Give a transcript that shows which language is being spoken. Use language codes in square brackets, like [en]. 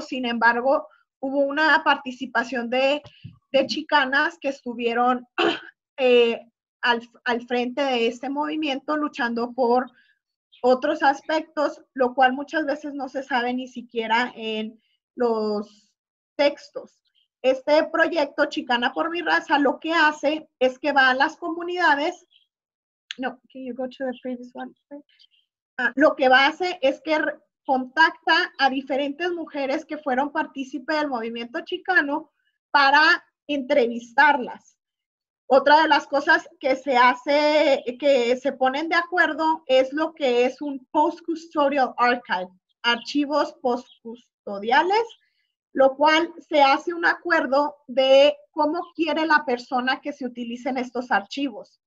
[es] Sin embargo, hubo una participación de chicanas que estuvieron al frente de este movimiento luchando por otros aspectos, lo cual muchas veces no se sabe ni siquiera en los textos. Este proyecto, Chicana por mi raza, lo que hace es que va a las comunidades. [en] No, can you go to the previous one? [es] Lo que hace es que contacta a diferentes mujeres que fueron partícipes del movimiento chicano para entrevistarlas. Otra de las cosas que se hace, que se ponen de acuerdo, es lo que es un post-custodial archive, archivos post-custodiales, lo cual se hace un acuerdo de cómo quiere la persona que se utilicen estos archivos.